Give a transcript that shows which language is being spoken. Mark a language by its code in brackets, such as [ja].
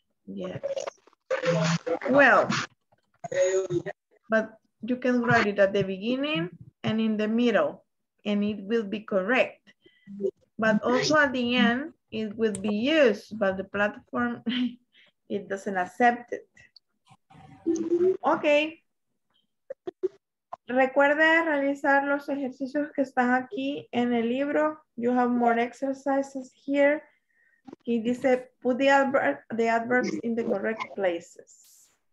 [en] Yes. Well, but you can write it at the beginning and in the middle, and it will be correct. But also at the end, it will be used, but the platform, it doesn't accept it. Okay. [es] Recuerde realizar los ejercicios que están aquí en el libro. [en] You have more exercises here. [es] He dice, [en] put the adverbs in the correct places.